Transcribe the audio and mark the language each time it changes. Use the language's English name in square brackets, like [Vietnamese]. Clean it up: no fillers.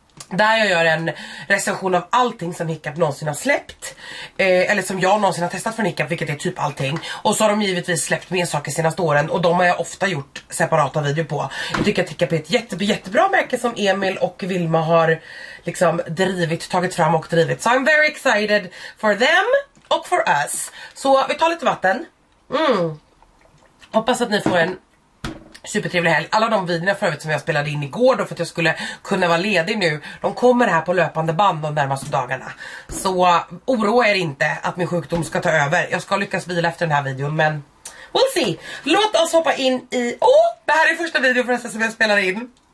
[Swedish] Där jag gör en recension av allting som Hiccup någonsin har släppt. Eller som jag någonsin har testat från Hiccup, vilket är typ allting. Och så har de givetvis släppt mer saker senaste åren. Och de har jag ofta gjort separata video på. Jag tycker att Hiccup är ett jättebra märke som Emil och Vilma har liksom drivit, tagit fram och drivit. [English] So I'm very excited for them och for us. [Swedish] Så vi tar lite vatten. Hoppas att ni får en supertrevlig helg. Alla de videorna för övrigt som jag spelade in igår då för att jag skulle kunna vara ledig nu, de kommer här på löpande band de närmaste dagarna. Så oroa er inte att min sjukdom ska ta över. Jag ska lyckas vila efter den här videon, men [English] we'll see. [Swedish] Låt oss hoppa in i, det här är första videon förresten som jag spelar in.